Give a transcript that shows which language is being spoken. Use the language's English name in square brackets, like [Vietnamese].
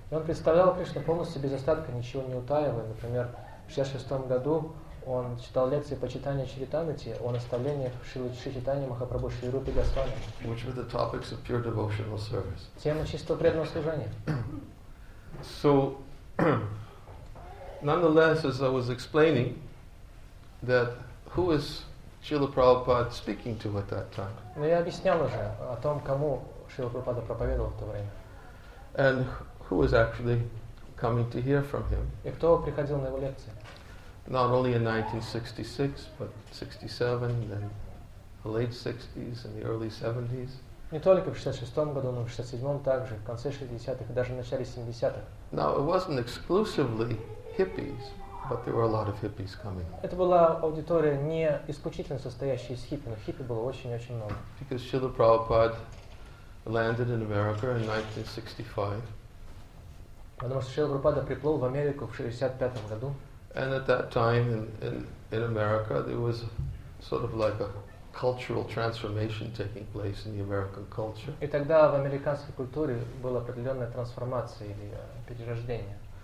[Russian] И он представлял Кришну полностью без остатка, ничего не утаивая. Например, в 66 году он читал лекции по читанию Чаритамрити о наставлениях Шри Чайтаньи Махапрабху Шри Рупы Госвами. [English] Which were the topics of pure devotional service. [Russian] Тема чистого преданного служения. [English] So, nonetheless, as I was explaining, that who is Srila Prabhupada speaking to at that time? [Russian] Но я объяснял уже о том, кому Шрила Прабхупада проповедовал в то время. [English] And who was actually coming to hear from him? [Russian] И кто приходил на его лекции? [English] Not only in 1966, but 67, then the late 60s and the early 70s. [Russian] Не только в 66-м году, но в 67-м также, в конце 60-х, даже в начале 70-х. [English] Now, it wasn't exclusively hippies, but there were a lot of hippies coming. [Russian] Это была аудитория, не исключительно состоящая из хиппи, но хиппи было очень-очень много. [English] Because Srila Prabhupada landed in America in 1965. [Russian] Потому что Шрила Прабхупада приплыл в Америку в 65-м году. [English] And at that time in America, there was sort of like a cultural transformation taking place in the American culture. [Russian] И тогда в американской культуре была определенная трансформация или перерождение.